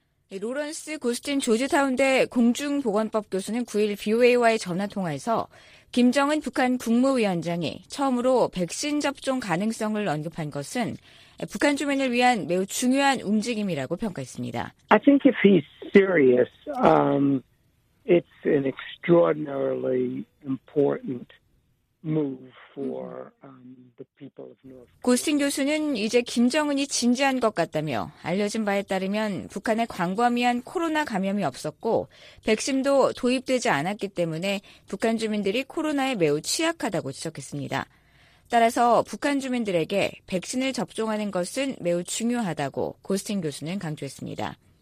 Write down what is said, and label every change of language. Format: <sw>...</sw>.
<ko>로런스 고스틴 조지타운대 공중보건법 교수는 9일 VOA와의 전화통화에서 김정은 북한 국무위원장이 처음으로 백신 접종 가능성을 언급한 것은 북한 주민을 위한 매우 중요한 움직임이라고 평가했습니다.</ko> <en>I think if he's serious, it's an extraordinarily important move for the people of North Korea.</en> <ko>고스틴 교수는 이제 김정은이 진지한 것 같다며 알려진 바에 따르면 북한에 광범위한 코로나 감염이 없었고 백신도 도입되지 않았기 때문에 북한 주민들이 코로나에 매우 취약하다고 지적했습니다. 따라서 북한 주민들에게 백신을 접종하는 것은 매우 중요하다고 고스틴 교수는 강조했습니다.</ko>